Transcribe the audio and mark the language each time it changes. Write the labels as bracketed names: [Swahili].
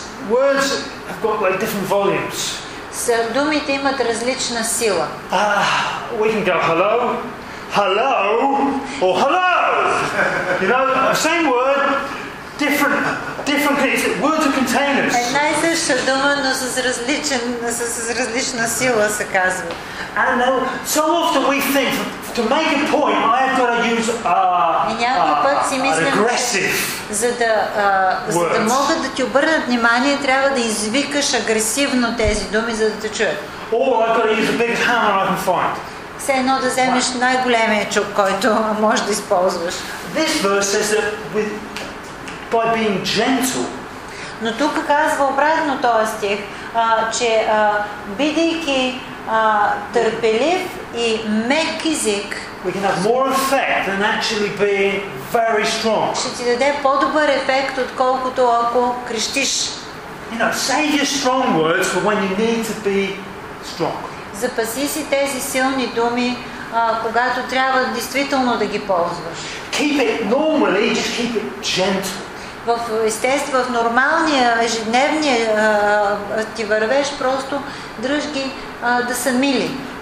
[English] Words have got like different volumes. [Bulgarian] Думите имат различна сила. [English] We can go hello, or hello. You know, same word. Different things. Words are containers. [Bulgarian] Една и съща дума, но с различна сила се казва. [English] And so often we think to make a point, I have got to use aggressive. [Bulgarian] За да могат да ти обърнат внимание, трябва да извикаш агресивно тези думи, за да те чуят. [English] Or I've got to use the biggest hammer I can find. [Bulgarian] Все едно да вземеш най-големия чук, който можеш да използваш. [English] This verse says that with by being gentle. [Bulgarian] Но тук казва обратно този стих, че бидейки търпелив и мек език, [English] we can have more effect than actually being very strong. [Bulgarian] Ще ти даде по-добър ефект, отколкото ако крещиш. [English] You know, say your strong words for when you need to be strong. [Bulgarian] Запази си тези силни думи, когато трябва действително да ги ползваш. [English] Keep it normally, just keep it gentle. [Bulgarian] В естество, в нормалния ежедневния ти вървеш, просто дръж ги да са мили.